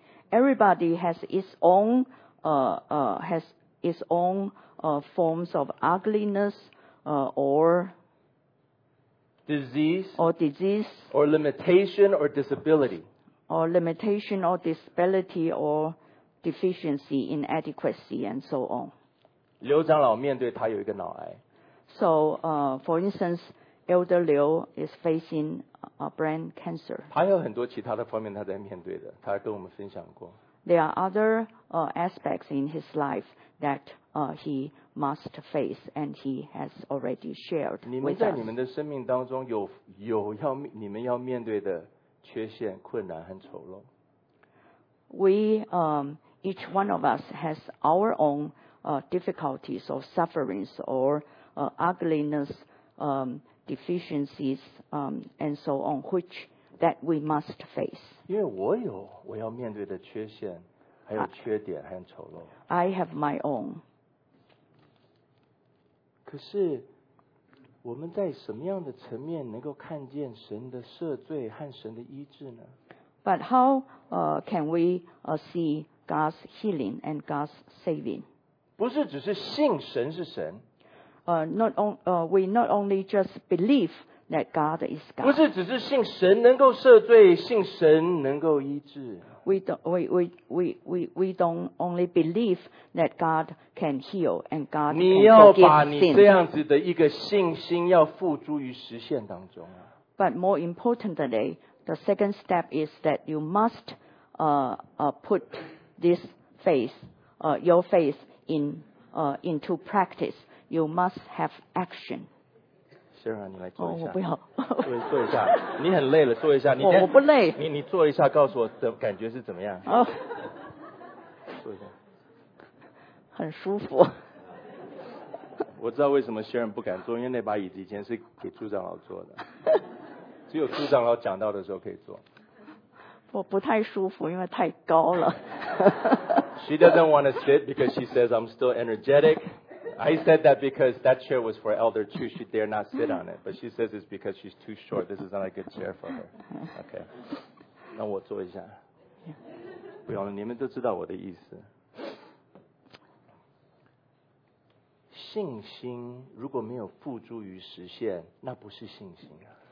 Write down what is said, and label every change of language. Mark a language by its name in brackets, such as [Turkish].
[English] Everybody has its own, has its own, forms of ugliness, or disease, or disease, or limitation, or disability, or limitation, or disability, or deficiency, inadequacy, and so on. [Chinese] 刘长老面对他有一个脑癌。 [English] So, for instance. Elder Liu is facing a brain cancer. [Chinese] 还有很多其他的方面他在面对的，他跟我们分享过。 [English] There are other aspects in his life that he must face, and he has already shared with us. [Chinese] 你们在你们的生命当中有要你们要面对的缺陷、困难和丑陋。 [English] We each one of us has our own difficulties or sufferings or ugliness. Deficiencies, and so on, which that we must face. [Chinese] 因为我有我要面对的缺陷，还有缺点和丑陋。 [English] I have my own. [Chinese] 可是我们在什么样的层面能够看见神的赦罪和神的医治呢？ [English] But how can we see God's healing and God's saving? [Chinese] 不是只是信神是神。 [English] We not only just believe that God is God. [Chinese] 不是只是信神能够赦罪，信神能够医治。 [English] We don't only believe that God can heal and God can forgive sin. [Chinese] 你要把你这样子的一个信心要付诸于实现当中啊。 [English] But more importantly, the second step is that you must put this faith, your faith in into practice. You must have action. [Chinese] Sharon, 你来坐一下。我不要。坐一下，你很累了，坐一下。我不累。你坐一下，告诉我的感觉是怎么样？坐一下。很舒服。我知道为什么 Sharon 不敢坐，因为那把椅子以前是给朱长老坐的，只有朱长老讲到的时候可以坐。我不太舒服，因为太高了。 [English] She doesn't want to sit because she says I'm still energetic. I said that because that chair was for Elder Chu. She dare not sit on it. But she says it's because she's too short. This is not a good chair for her. [Chinese] Okay. 那我坐一下。不用了，你们都知道我的意思。信心如果没有付诸于实现，那不是信心啊。